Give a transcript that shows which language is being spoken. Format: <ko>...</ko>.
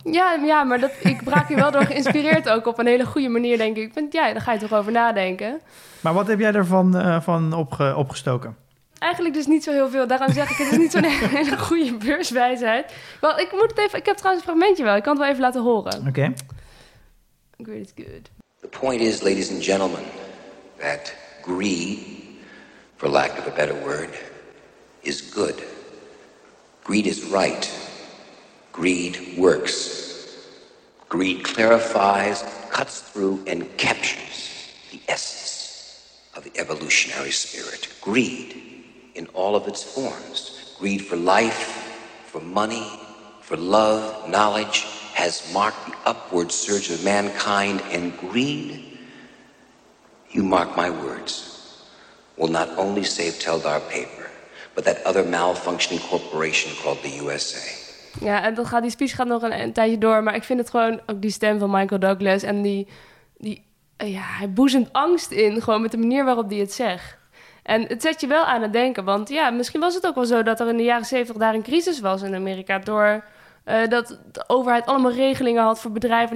<nl>Ja, maar ik raak je wel door geïnspireerd ook op een hele goede manier, denk ik. Daar ga je toch over nadenken. Maar wat heb jij ervan opgestoken? Eigenlijk dus niet zo heel veel. Daarom zeg ik, het is niet zo'n hele goede beurswijsheid. Wel, ik heb trouwens een fragmentje wel. Ik kan het wel even laten horen. Oké.</nl> <en>Greed is good. The point is, ladies and gentlemen, that greed, for lack of a better word, is good. Greed is right. Greed works. Greed clarifies, cuts through, and captures the essence of the evolutionary spirit. Greed, in all of its forms, greed for life, for money, for love, knowledge, has marked the upward surge of mankind, and greed, you mark my words, will not only save Teldar Paper, but that other malfunctioning corporation called the USA.</en> <nl>Ja, en die speech gaat nog een tijdje door. Maar ik vind het gewoon ook die stem van Michael Douglas. En hij boezemt angst in, gewoon met de manier waarop hij het zegt. En het zet je wel aan het denken. Want ja, misschien was het ook wel zo dat er in de jaren 70 daar een crisis was in Amerika. Door dat de overheid allemaal regelingen had voor bedrijven.</nl>